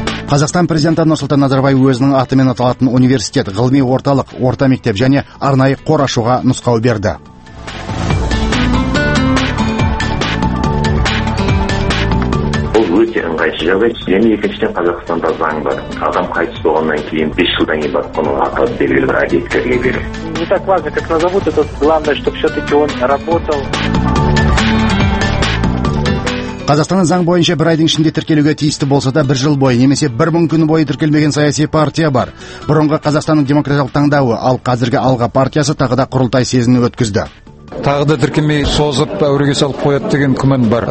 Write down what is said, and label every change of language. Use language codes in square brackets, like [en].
[kk] Қазақстан президенті Нұрсұлтан Назарбаев өзінің атымен аталатын университет, ғылыми орталық, орта мектеп және арнайы қор ашуға нұсқау берді. Өте ыңғайсыз жағдай. Және екіншіден Қазақстанда заң бар. Адам қайтыс болғаннан кейін 5 жылдан кейін барып қонуға атады белгілі бір әдеттерге беріп. [ru] Не так важно, как назовут этот, главное, чтобы все-таки он работал. [kk] Қазақстанның заң бойынша бір айдың ішінде тіркелуге тиісті болса да, бір жыл бойы немесе 1000 күн бойы тіркелмеген саяси партия бар. Бұрынғы Қазақстанның демократиялық таңдауы, ал қазіргі Алға партиясы тағы да құрылтай сезінін өткізді. Тағы да тіркелмей созып, әуреге салып қояды деген күмән бар.